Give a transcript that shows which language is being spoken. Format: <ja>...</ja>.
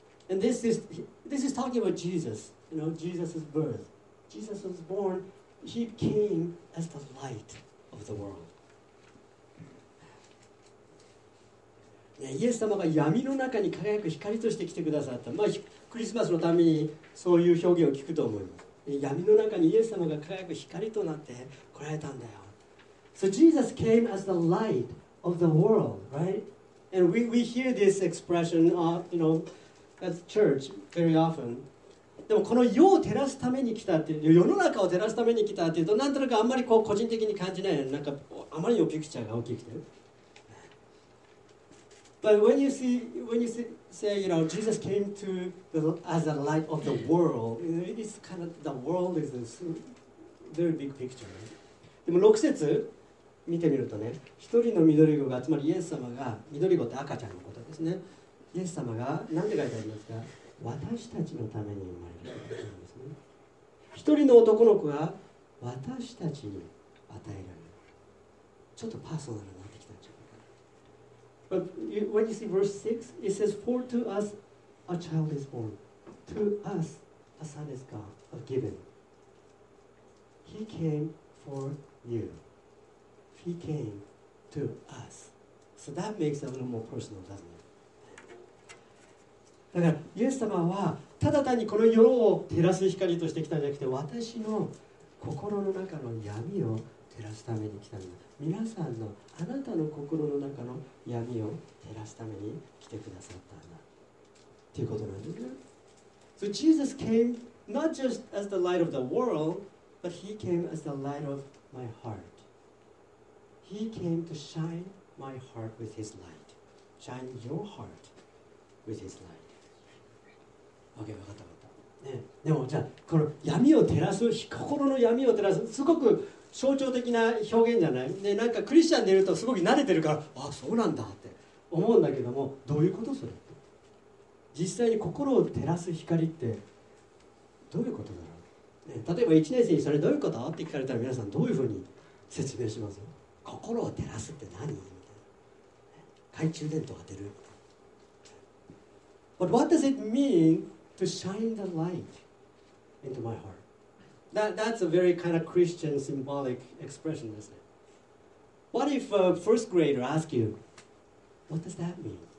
<en>And this is talking about Jesus, you know, Jesus' birth. Jesus was born, he came as the light of the world.</en> <ja>イエス様が闇の中に輝く光として来てくださった。まあ、クリスマスのためにそういう表現を聞くと思います。闇の中にイエス様が輝く光となって来られたんだよ。</ja> <en>So Jesus came as the light of the world, right? And we hear this expression, you know, at church very often.</en> <ja>でもこの世を照らすために来たっていう、世の中を照らすために来たっていうと、なんとなくあんまりこう個人的に感じない、なんかあまりのピクチャーが大きくて。</ja> <en>But when you say, you know, Jesus came to the, as the light of the world, it's kind of, the world is a very big picture, right?</en> <ja>でも6節見てみるとね、一人の緑子が、つまりイエス様が、緑子って赤ちゃんのことですね。イエス様が何て書いてありますか？私たちのために生まれることなんですね。一人の男の子が私たちに与えられる。ちょっとパーソナルになってきたんじゃないかな。</ja> <en>But when you see verse 6, it says, For to us a child is born, to us a son is given. He came for you. He came to us. So that makes it a little more personal, doesn't it?</en> <ja>だから、イエス様はただ単にこの世を照らす光として来たんじゃなくて、私の心の中の闇を照らすために来たんだ。皆さんの、あなたの心の中の闇を照らすために来てくださったんだ。ということなんですね。</ja> <en>So Jesus came not just as the light of the world, but he came as the light of my heart. He came to shine my heart with his light. Shine your heart with his light. Okay,</en> <ja>分かった分かった。ね、でもじゃあこの闇を照らす、心の闇を照らす、すごく象徴的な表現じゃない？で、なんかクリスチャンでいるとすごく慣れてるから、ああそうなんだって思うんだけども、どういうことそれ？実際に心を照らす光ってどういうことだろう、ね、例えば1年生にそれどういうことって聞かれたら皆さんどういうふうに説明します？心を照らすって何みたいな。懐中電灯当てる。</ja> <en>But what does it mean to shine the light into my heart? That's a very kind of Christian symbolic expression, isn't it? What if a first grader asks you, what does that mean?</en>